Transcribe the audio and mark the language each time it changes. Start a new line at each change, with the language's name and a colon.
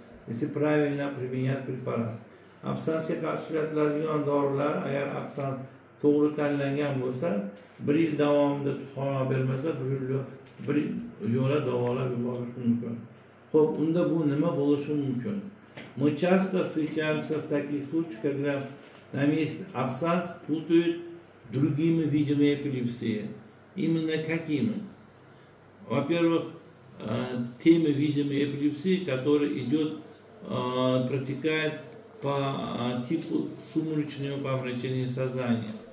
Russian: Если правильно применять препарат. Абсанс, я хочу сказать, что абсанс,
Uzbek: to'g'ri tanlangan bo'lsa, bir yil davomida tutxona bermasa, bir yo'la davolab yuborish mumkin. Xo'p, unda bu nima bo'lishi mumkin?
Russian: Мы часто встречаемся в таких случаях, когда нам есть абсанс, путают другими видами эпилепсии. Именно какими? Во-первых, теми видами эпилепсии, которые идет, протекает по типу сумеречного помрачения сознания.